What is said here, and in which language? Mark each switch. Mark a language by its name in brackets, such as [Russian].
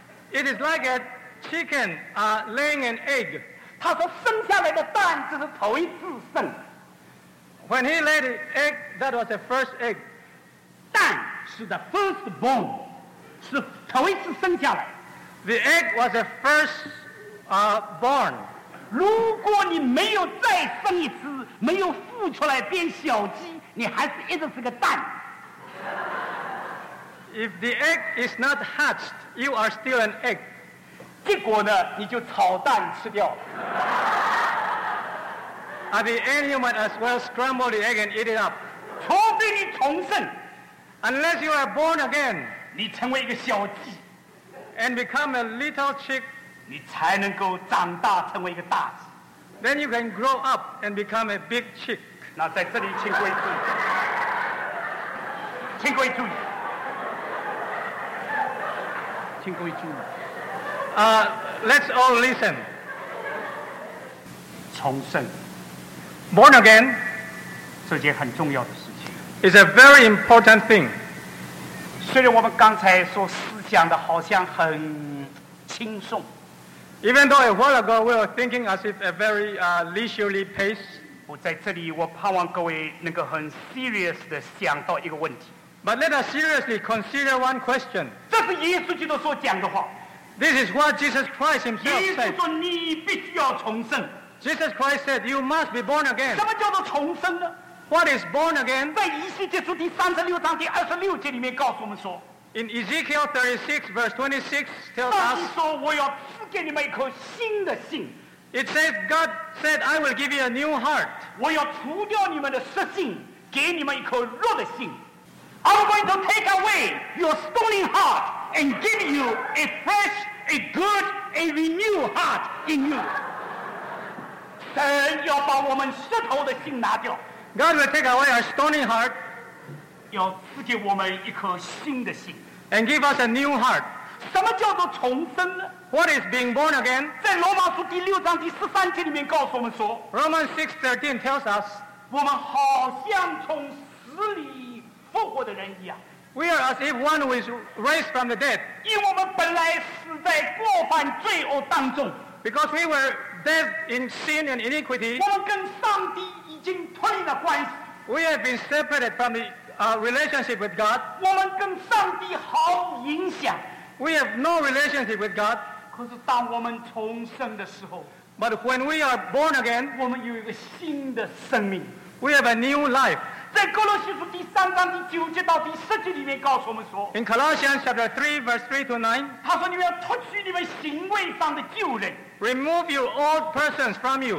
[English] It is like a chicken laying an egg. [Chinese] 他说生下来的蛋只是头一次生 [English] When he laid the egg, that was the first egg. [Chinese] 蛋是 [English] the first born [Chinese] 是头一次生下来 [English] The egg was the first born [Chinese] 如果你没有再生一次没有孵出来变小鸡你还是一直是个蛋 [English] If the egg is not hatched you are still an egg [Chinese] 结果呢你就炒蛋吃掉 [English] 了 The animal as well scramble the egg and eat it up [Chinese] 除非你重生 [English] Unless you are born again, [Chinese] 你成为一个小鸡 [English] and become a little chick, [Chinese] 你才能够长大成为一个大鸡 [English] then you can grow up and become a big chick. [Chinese] 那在这里请各位注意，请各位注意，请各位注意。 [English] Let's all listen. [Chinese] 重生。 [English] Born again [Chinese] 是件很重要的事情。 [English] It's a very important thing. [Chinese] 虽然我们刚才所思想的好像很轻松。 [English] Even though a while ago we were thinking as if a very leisurely pace. [Chinese] 我在这里我盼望各位能够很 serious 的想到一个问题。 [English] But let us seriously consider one question. [Chinese] 这是耶稣基督所讲的话。 [English] This is what Jesus Christ himself said. [Chinese] 耶稣说你必须要重生。 [English] Jesus Christ said, you must be born again. [Chinese] 什么叫做重生呢？ [English] What is born again? [Chinese] 在以西结书第36章第26节里面告诉我们说。 [English] In Ezekiel 36 verse 26 tells us. [Chinese] 上帝说我要赐给你们一颗新的心。 [English] It says, God said, I will give you a new heart. [Chinese] 我要除掉你们的实心，给你们一颗肉的心。 [English] I'm going to take away your stony heart and give you a fresh, a good, a renewed heart in you. [Chinese] 神要把我们石头的心拿掉。 [English] God will take away our stony heart. [Chinese] 要赐给我们一颗新的心。 [English] And give us a new heart. [Chinese] 什么叫做重生呢？ [English] What is being born again? [Chinese] 在罗马书第六章第十三节里面告诉我们说。 [English] Romans 6:13 tells us. [Chinese] 我们好像从死里复活的人一样。 [English] We are as if one who is raised from the dead. [Chinese] 因为我们本来死在过犯罪恶当中。 [English] Because we were dead in sin and iniquity. [Chinese] 我们跟上帝已经脱离了关系。 [English] We have been separated from the relationship with God. [Chinese] 我们跟上帝毫无影响。 [English] We have no relationship with God. [Chinese] 可是当我们重生的时候。 [English] But when we are born again. [Chinese] 我们有一个新的生命。 [English] We have a new life. [Chinese] 在哥罗西书第三章第九节到第十节里面告诉我们说 [English] In Colossians chapter 3 verse 3 to 9 [Chinese] 他说你们要脱去你们行为上的旧人 [English] Remove your old persons from you